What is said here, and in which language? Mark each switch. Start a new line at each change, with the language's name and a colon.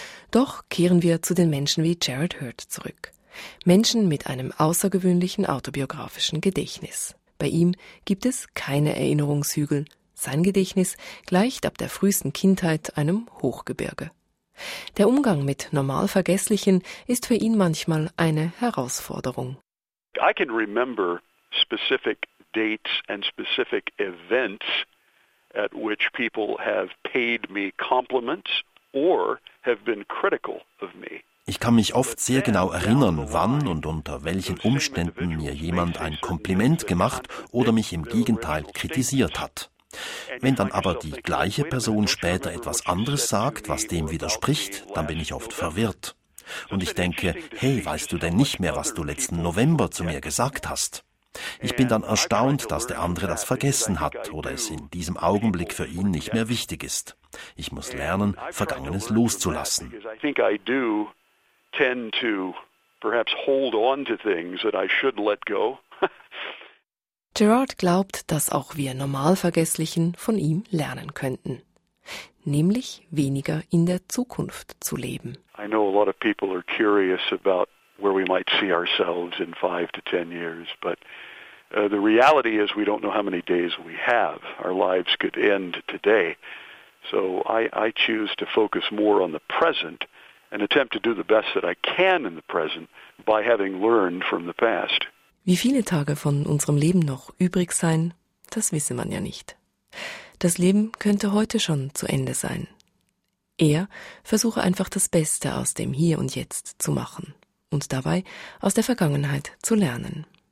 German: Doch kehren wir zu den Menschen wie Jared Hurd zurück. Menschen mit einem außergewöhnlichen autobiografischen Gedächtnis. Bei ihm gibt es keine Erinnerungshügel. Sein Gedächtnis gleicht ab der frühesten Kindheit einem Hochgebirge. Der Umgang mit Normalvergesslichen ist für ihn manchmal eine Herausforderung.
English: I can remember specific dates and specific events at which people have paid me compliments or have been critical of me.
German: Ich kann mich oft sehr genau erinnern, wann und unter welchen Umständen mir jemand ein Kompliment gemacht oder mich im Gegenteil kritisiert hat. Wenn dann aber die gleiche Person später etwas anderes sagt, was dem widerspricht, dann bin ich oft verwirrt. Und ich denke, hey, weißt du denn nicht mehr, was du letzten November zu mir gesagt hast? Ich bin dann erstaunt, dass der andere das vergessen hat oder es in diesem Augenblick für ihn nicht mehr wichtig ist. Ich muss lernen, Vergangenes loszulassen.
English: I think I do tend to perhaps hold on to things that I should let go.
German: Gerard glaubt, dass auch wir Normalvergesslichen von ihm lernen könnten. Nämlich weniger in der Zukunft zu leben.
English: I know a lot of people are curious about where we might see ourselves in 5 to 10 years, but the reality is we don't know how many days we have. Our lives could end today. So I choose to focus more on the present and attempt to do the best that I can in the present by having learned from the past.
German: Wie viele Tage von unserem Leben noch übrig sein, das wisse man ja nicht. Das Leben könnte heute schon zu Ende sein. Er versuche einfach das Beste aus dem Hier und Jetzt zu machen und dabei aus der Vergangenheit zu lernen.